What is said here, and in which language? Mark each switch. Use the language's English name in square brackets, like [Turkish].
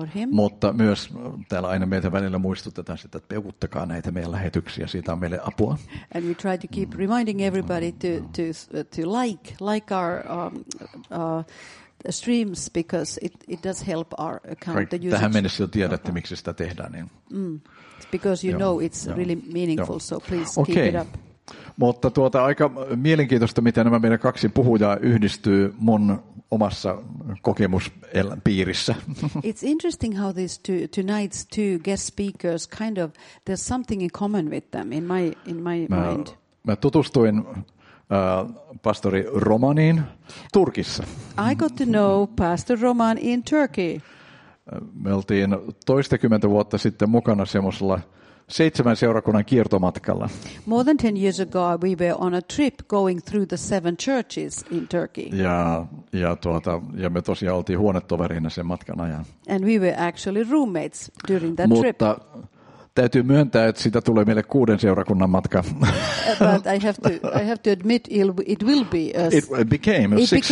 [Finnish] Mutta myös täällä aina meitä välillä muistutetaan sitä, että peukuttakaa näitä meidän lähetyksiä, siitä on meille apua. [English] And we try to keep reminding everybody to like our streams because it does help our account. Right. [Finnish] Tähän mennessä jo tiedätte, okay, miksi sitä tehdään. Niin. Mm. [English] It's because you know it's really meaningful, so please keep it up. [Finnish] Mutta tuota, aika mielenkiintoista, miten nämä meidän kaksi puhujaa yhdistyy mun omassa kokemuspiirissä. [English] It's interesting how these two, tonight's two guest speakers kind of, there's something in common with them in my mind. [Finnish] Mä tutustuin pastori Romaniin Turkissa. [English] I got to know Pastor Roman in Turkey. [Finnish] Me oltiin toistakymmentä vuotta sitten mukana semmoisella seitsemän seurakunnan kiertomatkalla. [English] More than 10 years ago we were on a trip going through the seven churches in Turkey. [Finnish] Ja me tosiaan oltiin huonetoverina sen matkan ajan. [English] And we were actually roommates during that [Finnish] Mutta [English] trip. [Finnish] Mutta täytyy myöntää, että sitä tulee meille kuuden seurakunnan matka. [English] But I have to admit it will be a